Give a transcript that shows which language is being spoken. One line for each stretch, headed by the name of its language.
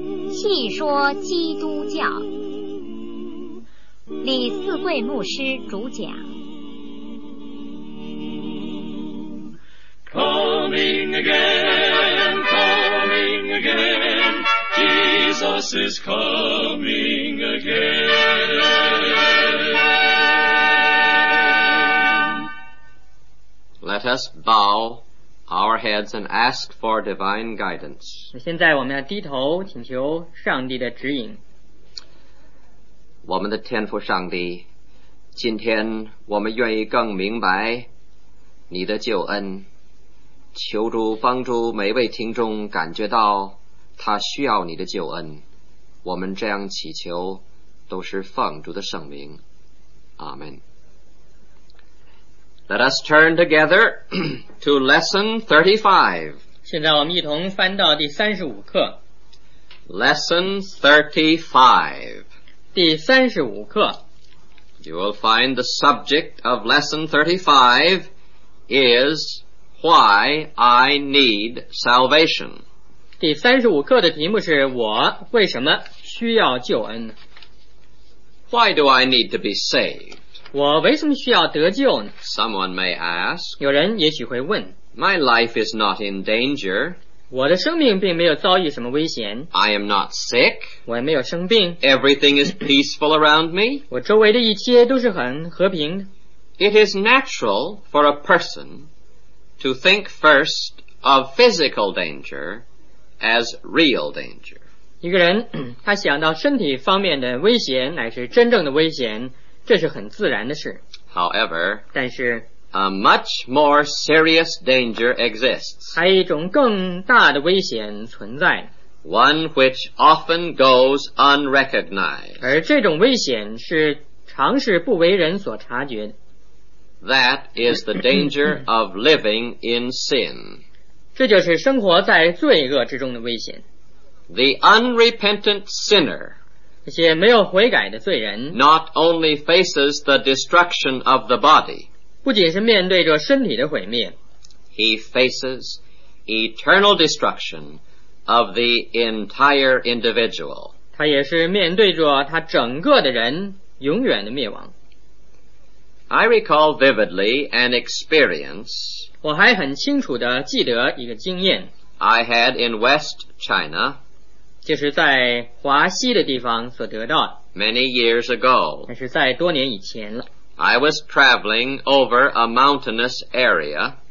Chinese: 戏说基督教，李四桂牧师主讲。
English: Coming again, coming again, Jesus is coming again. Let us bow our heads and ask for divine guidance.
Chinese: 现在我们要低头请求上帝的指引。我们的天父上帝，今天我们愿意更明白你的救恩，求主帮助每位听众感觉到他需要你的救恩。我们这样祈求都是奉主的圣名，阿们。
English: Let us turn together to Lesson 35.
Chinese: 现在我们一同翻到第35课。
English: Lesson 35.
Chinese: 第35课。
English: You will find the subject of Lesson 35 is Why I Need Salvation.
Chinese: 第35课的题目是我为什么需要救恩。
English: Why do I need to be saved?
Chinese: 我为什么需要得救呢？
English: Someone may ask,
Chinese: 有人也许会问。
English: My life is not in danger.
Chinese: 我的生命并没有遭遇什么危险。
English: I am not sick.
Chinese: 我也没有生病。
English: Everything is peaceful around me.
Chinese: 我周围的一切都是很和平的。
English: It is natural for a person to think first of physical danger as real danger.
Chinese: 一个人，他想到身体方面的危险乃是真正的危险，这是很自然的事。
English: However,
Chinese: 但是
English: a much more serious danger exists.
Chinese: 还有一种更大的危险存在。
English: One which often goes unrecognized.
Chinese: 而这种危险是常是不为人所察觉的。
English: That is the danger of living in sin.
Chinese: 这就是生活在罪恶之中的危险。
English: The unrepentant sinner.
Chinese: 那些没有悔改的罪人
English: not only faces the destruction of the body,
Chinese: 不仅是面对着身体的毁灭，
English: he faces eternal destruction of the entire individual,
Chinese: 他也是面对着他整个的人永远的灭亡。
English: I recall vividly an experience,
Chinese: 我还很清楚地记得一个经验，
English: I had in West China,
Chinese: 就是在华西的地方所得到的。
English: Many years ago,
Chinese: 那是在多年以前了。
English: I was traveling over a mountainous area,